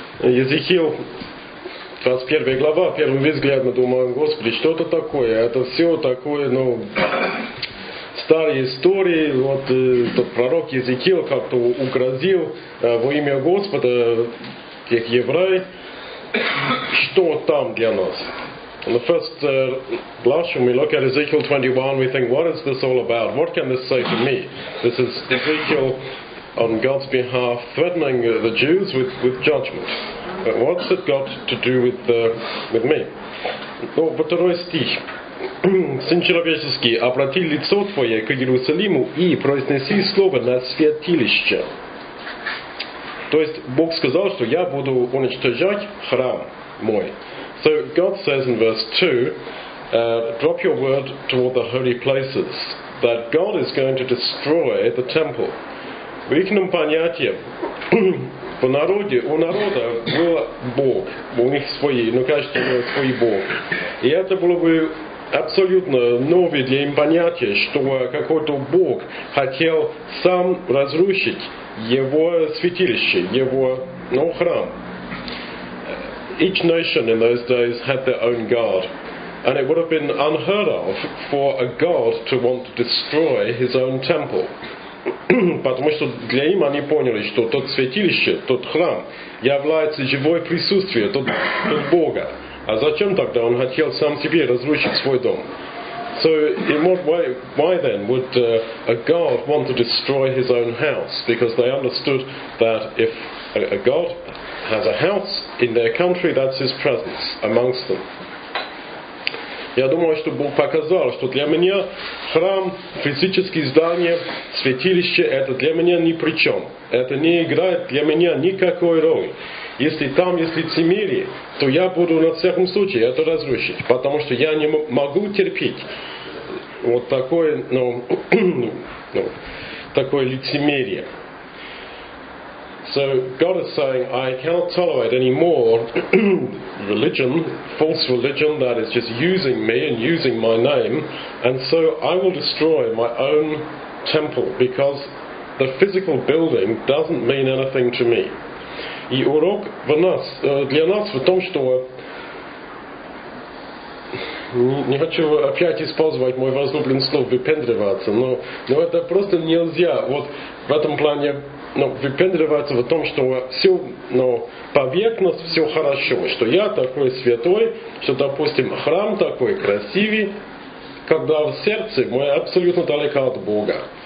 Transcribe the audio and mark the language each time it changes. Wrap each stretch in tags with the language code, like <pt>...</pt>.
<ru>Езекиил, 21 глава, первый взгляд, мы думаем, Господи, что это такое? Это все такое, ну, старые истории, вот этот пророк Езекиил как-то угрозил во имя Господа тех евреев, что там для нас?</ru> <en>In the first blush, when we look at Ezekiel 21, we think, what is this all about? What can this say to me? This is Ezekiel on God's behalf threatening the Jews with judgment. But what's it got to do with me?</en> <ru>Ну, второй стих. Сын человеческий, обрати лицо твое к Иерусалиму и произнеси слово на святилище. То есть Бог сказал, что я буду уничтожать храм мой.</ru> <en>So God says in verse 2, drop your word toward the holy places, that God is going to destroy the temple.</en> <ru>В ихнем понятии, по народе, у народа был Бог, у них свои, ну, конечно, свой Бог. И это было бы абсолютно новое для им понятие, что какой-то Бог хотел сам разрушить его святилище, его, ну, храм.</ru> <en>Each nation in those days had their own god, and it would have been unheard of for a god to want to destroy his own temple.</en> <ru>Потому что для им они поняли, что тот святилище, тот храм, является живое присутствие тот Бога. А зачем тогда он хотел сам себе разрушить свой дом?</ru> <en>So, in what way, why then would a god want to destroy his own house? Because they understood that if a god has a house in their country, that's his presence amongst them.</en> <ru>Я думаю, что Бог показал, что для меня храм, физические здания, святилище, это для меня ни при чем. Это не играет для меня никакой роли. Если там есть лицемерие, то я буду на всяком случае это разрушить, потому что я не могу терпеть вот такое, ну, ну, такое лицемерие.</ru> <en>So God is saying, I cannot tolerate any more religion, false religion that is just using me and using my name, and so I will destroy my own temple because the physical building doesn't mean anything to me.</en> <ru>И урок для нас в том, что не хочу опять использовать мой возлюбленный слово выпендриваться, но это просто нельзя. Вот в этом плане. Но выпендриваться в том, что все, но поверхность все хорошо, что я такой святой, что, допустим, храм такой красивый, когда в сердце мы абсолютно далеко от Бога.</ru>